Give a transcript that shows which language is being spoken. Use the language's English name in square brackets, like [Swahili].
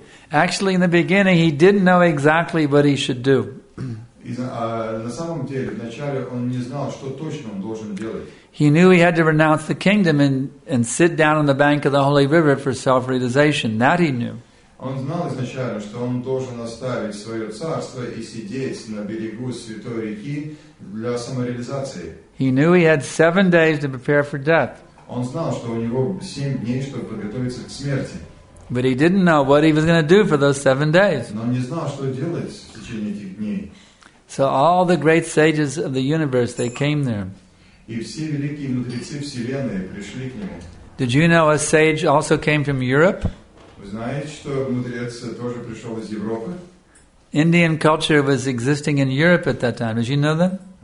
[English] Actually, in the beginning, he didn't know exactly what he should do. He knew he had to renounce the kingdom and sit down on the bank of the holy river for self-realization. That he knew. [Russian] Он знал изначально, что он должен оставить свое царство и сидеть на берегу святой реки для самореализации. [English] He knew he had 7 days to prepare for death. [Russian] Он знал, что у него 7 дней, чтобы подготовиться к смерти. [English] But he didn't know what he was going to do for those 7 days. [Russian] Но он не знал, что делать в течение этих дней. [English] So all the great sages of the universe, they came there. [Russian] И все великие мудрецы вселенной пришли к нему. [English] Did you know a sage also came from Europe? [Russian] Вы знаете, что мудрец тоже пришел из Европы? [English] Indian culture was existing in Europe at that time. Did you know that?